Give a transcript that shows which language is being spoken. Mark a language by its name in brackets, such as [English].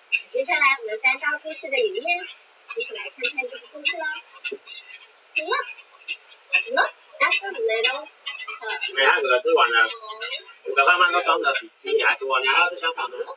[Chinese] 接下来我们翻到故事的里面，一起来看看这个故事啦。 [English] Look, look at the little hen. [Chinese] 没看过，吃完了。小胖胖都装的比你还多，你还要吃香肠吗？